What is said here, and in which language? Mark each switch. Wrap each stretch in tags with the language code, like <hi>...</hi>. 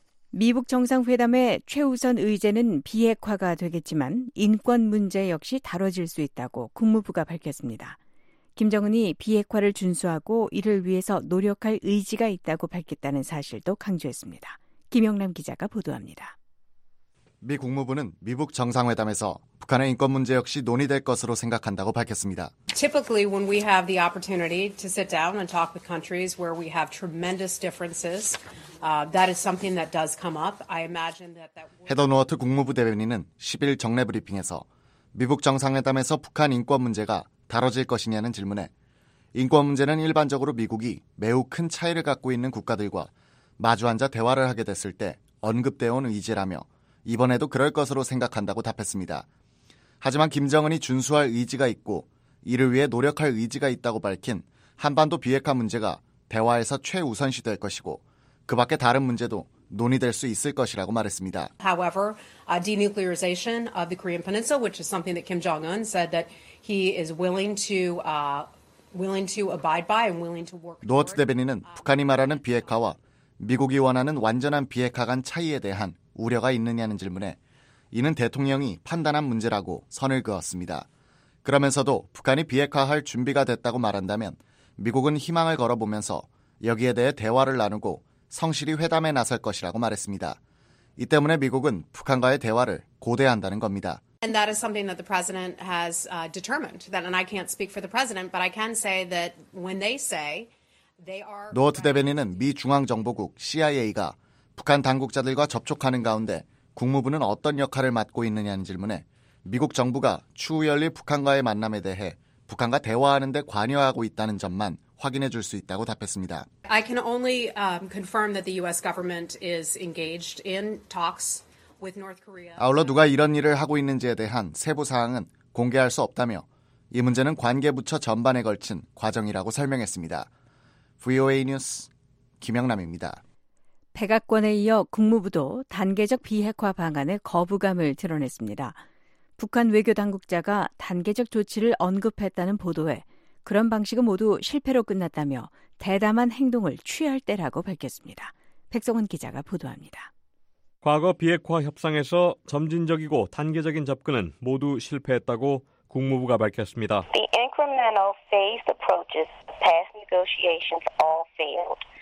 <ko>미북 정상회담의 최우선 의제는 비핵화가 되겠지만 인권 문제 역시 다뤄질 수 있다고 국무부가 밝혔습니다. 김정은이 비핵화를 준수하고 이를 위해서 노력할 의지가 있다고 밝혔다는 사실도 강조했습니다. 김영남 기자가 보도합니다. 미 국무부는 미북 정상회담에서 북한의 인권 문제 역시 논의될 것으로 생각한다고 밝혔습니다.</ko> <en>Typically when we have the opportunity to sit down and talk with countries where we have tremendous differences, that is something that does come up. I imagine that that</en> <ko>헤더 노어트 국무부 대변인은 10일 정례 브리핑에서 미북 정상회담에서 북한 인권 문제가 다뤄질 것이냐는 질문에 인권 문제는 일반적으로 미국이 매우 큰 차이를 갖고 있는 국가들과 마주앉아 대화를 하게 됐을 때 언급되어 온 의제라며 이번에도 그럴 것으로 생각한다고 답했습니다. 하지만 김정은이 준수할 의지가 있고 이를 위해 노력할 의지가 있다고 밝힌 한반도 비핵화 문제가 대화에서 최우선시될 것이고 그 밖에 다른 문제도 논의될 수 있을 것이라고 말했습니다.</ko> <en>However, denuclearization of the Korean Peninsula, which is something that Kim Jong-un said that he is willing to abide by and willing to work.</en> <ko>노어트 대변인은 북한이 말하는 비핵화와 미국이 원하는 완전한 비핵화 간 차이에 대한 우려가 있느냐는 질문에 이는 대통령이 판단한 문제라고 선을 그었습니다. 그러면서도 북한이 비핵화할 준비가 됐다고 말한다면 미국은 희망을 걸어보면서 여기에 대해 대화를 나누고 성실히 회담에 나설 것이라고 말했습니다. 이 때문에 미국은 북한과의 대화를 고대한다는 겁니다.</ko> <en>And that is something that the president has determined. And I can't speak for the president, but I can say that when they say they are</en> <ko>노어트 대변인은 미 중앙정보국 CIA가 북한 당국자들과 접촉하는 가운데 국무부는 어떤 역할을 맡고 있느냐는 질문에 미국 정부가 추후 열릴 북한과의 만남에 대해 북한과 대화하는 데 관여하고 있다는 점만 확인해 줄 수 있다고 답했습니다.</ko> <en>I can only confirm that the US government is engaged in talks with North Korea.</en> <ko>아울러 누가 이런 일을 하고 있는지에 대한 세부 사항은 공개할 수 없다며 이 문제는 관계 부처 전반에 걸친 과정이라고 설명했습니다. VOA 뉴스 김영남입니다. 백악관에 이어 국무부도 단계적 비핵화 방안에 거부감을 드러냈습니다. 북한 외교 당국자가 단계적 조치를 언급했다는 보도에 그런 방식은 모두 실패로 끝났다며 대담한 행동을 취할 때라고 밝혔습니다. 백성은 기자가 보도합니다. 과거 비핵화 협상에서 점진적이고 단계적인 접근은 모두 실패했다고 국무부가 밝혔습니다.</ko> <en>The incremental phased approaches past negotiations all failed.</en>